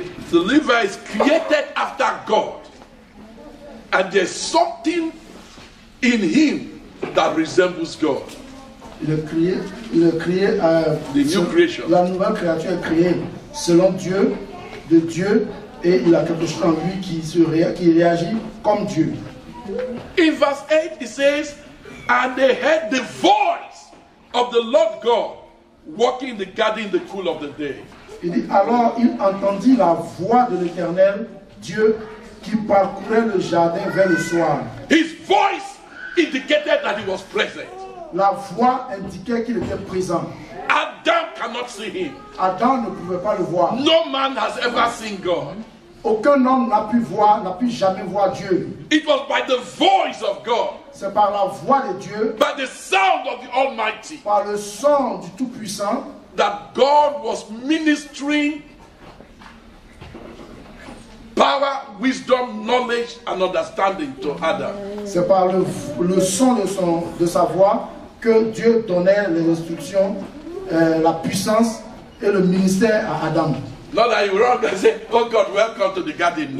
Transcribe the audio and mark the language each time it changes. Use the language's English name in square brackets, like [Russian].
[English] The liver is created after God, and there's something in him that resembles God. The new creation. [French] La nouvelle créature est créée selon Dieu, de Dieu, et il a quelque chose en lui qui réagit comme Dieu. [English] In verse 8, it says, and they heard the voice of the Lord God walking in the garden in the cool of the day. [French] Il dit, alors il entendit la voix de l'Éternel, Dieu, qui parcourait le jardin vers le soir. [English] His voice indicated that he was present. [French] La voix indiquait qu'il était présent. [English] Adam cannot see him. [French] Adam ne pouvait pas le voir. [English] No man has ever seen God. [French] Aucun homme n'a pu jamais voir Dieu. [English] It was by the voice of God. [French] C'est par la voix de Dieu. [English] By the sound of the Almighty. [French] Par le son du Tout-Puissant. [English] That God was ministering power, wisdom, knowledge, and understanding to Adam. [French] C'est par le son de sa voix que Dieu donnait les instructions, la puissance et le ministère à Adam. [English] Not that you run and say, "Oh God, welcome to the garden."